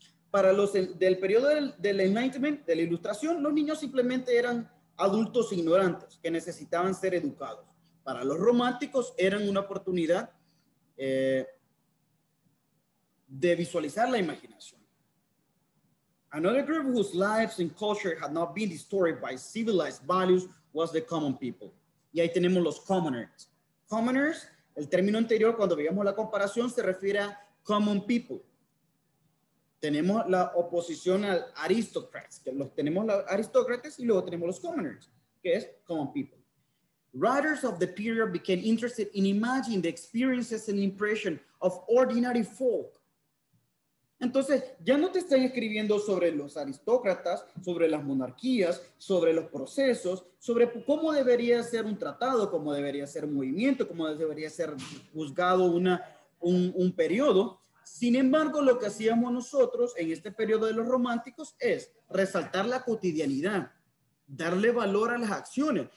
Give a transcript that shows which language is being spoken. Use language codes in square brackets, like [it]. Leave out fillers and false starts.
[es] Para los del periodo del Enlightenment, de la Ilustración, los niños simplemente eran adultos ignorantes que necesitaban ser educados. Para los románticos eran una oportunidad de visualizar la imaginación. [en] Another group whose lives and culture had not been distorted by civilized values was the common people. [es] Y ahí tenemos los commoners. Commoners, el término anterior cuando veíamos la comparación se refiere a common people. Tenemos la oposición al aristocrats, que los tenemos los aristócratas y luego tenemos los commoners, que es common people. [en] Writers of the period became interested in imagining the experiences and impression of ordinary folk. [es] Entonces, ya no te están escribiendo sobre los aristócratas, sobre las monarquías, sobre los procesos, sobre cómo debería ser un tratado, cómo debería ser un movimiento, cómo debería ser juzgado un periodo. Sin embargo, lo que hacíamos nosotros en este periodo de los románticos es resaltar la cotidianidad, darle valor a las acciones.